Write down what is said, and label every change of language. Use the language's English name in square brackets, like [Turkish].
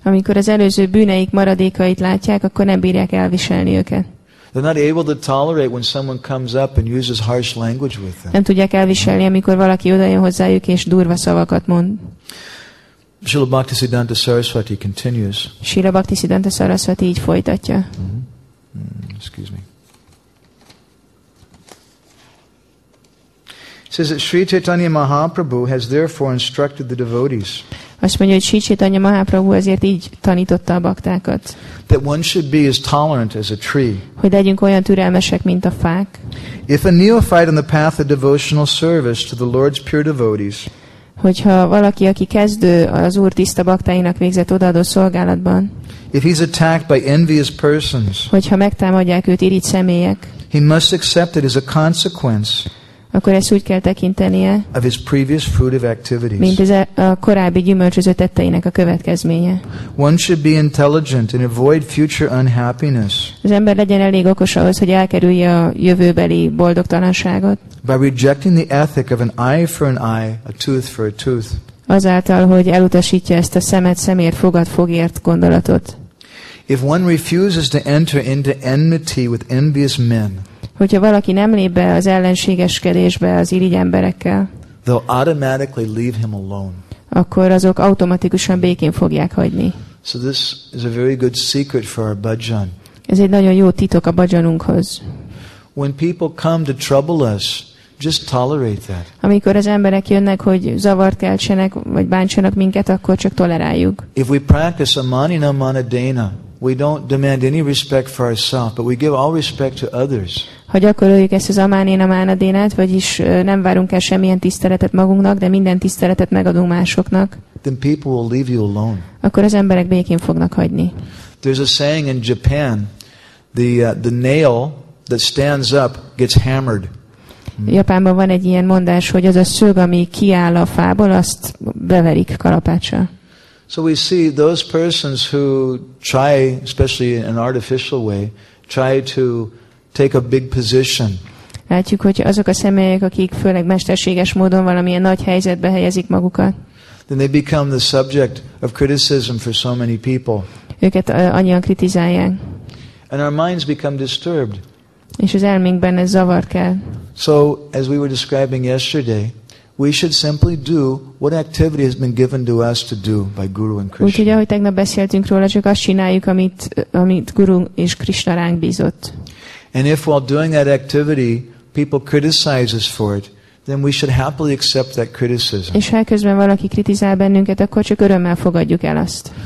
[Hungarian] Amikor az előző bűneik maradékait látják, akkor nem bírják elviselni őket. [English] They're not able to tolerate when someone comes up and uses harsh language with them. [Hungarian] Nem tudják elviselni, amikor valaki odajön hozzájuk és durva szavakat mond. [English] Srila Bhaktisiddhanta Saraswati continues. [Hungarian] Srila Bhaktisiddhanta Saraswati így folytatja. [English] Excuse me. It says that Sri Chaitanya Mahaprabhu has therefore instructed the devotees. [Hungarian] Azt mondja, hogy Sri Chaitanya Mahaprabhu ezért így tanította a baktákat. [English] That one should be as tolerant as a tree. [Hungarian] Hogy legyünk olyan türelmesek, mint a fák. [English] If a neophyte on the path of devotional service to the Lord's pure devotees. [Hungarian] Hogyha valaki, aki kezdő az Úr tiszta baktáinak végzett odaadó szolgálatban. [English] If he's attacked by envious persons. [Hungarian] Hogyha megtámadják őt irigy személyek. [English] He must accept it as a consequence. [Hungarian] Akkor ezt úgy kell tekintenie, [English] of his previous fruitive activities. [Hungarian] Mint ez a korábbi gyümölcsöző tetteinek a következménye. [English] One should be intelligent and avoid future unhappiness. [Hungarian] Az ember legyen elég okos ahhoz, hogy elkerülje a jövőbeli boldogtalanságot. [English] By rejecting the ethic of an eye for an eye, a tooth for a tooth. [Hungarian] Azáltal, hogy elutasítja ezt a szemet szemért, fogat fogért gondolatot. [English] If one refuses to enter into enmity with envious men. [Hungarian] Hogyha valaki nem lép be az ellenségeskedésbe az irigy emberekkel, [English] they'll automatically leave him alone. [Hungarian] Akkor azok automatikusan békén fogják hagyni. [English] So this is a very good secret for our bhajan. [Hungarian] Ez egy nagyon jó titok a bhajanunkhoz. [English] When people come to trouble us, just tolerate that. [Hungarian] Amikor az emberek jönnek, hogy zavart keltsenek, vagy bántsanak minket, akkor csak toleráljuk. [English] If we practice a manina manadena, we don't demand any respect for ourselves, but we give all respect to others. [Hungarian] Ha gyakoroljuk ezt az amánén a mánadénát, vagyis nem várunk el semmilyen tiszteletet magunknak, de minden tiszteletet megadunk másoknak. [English] Then people will leave you alone. [Hungarian] Akkor az emberek békén fognak hagyni. [English] There's a saying in Japan, the nail that stands up gets hammered. [Hungarian] Japánban van egy ilyen mondás, hogy az a szög, ami kiáll a fából, azt beverik kalapácsra. [English] So we see those persons who try, especially in an artificial way, try to take a big position. [Hungarian] Látjuk, hogy azok a személyek, akik főleg mesterséges módon valamilyen nagy helyzetbe helyezik magukat. [English] Then they become the subject of criticism for so many people. [Hungarian] Őket annyian kritizálják. [English] And our minds become disturbed. [Hungarian] És az elménkben ez zavar kell. [English] So, as we were describing yesterday, we should simply do what activity has been given to us to do by Guru and Krishna. [Hungarian] Úgyhogy, ahogy tegnap beszéltünk róla, csak azt csináljuk, amit Guru és Krishna ránk bízott. [English] And if while doing that activity, people criticize us for it, then we should happily accept that criticism. [Hungarian] És ha közben valaki kritizál bennünket, akkor csak örömmel fogadjuk el azt.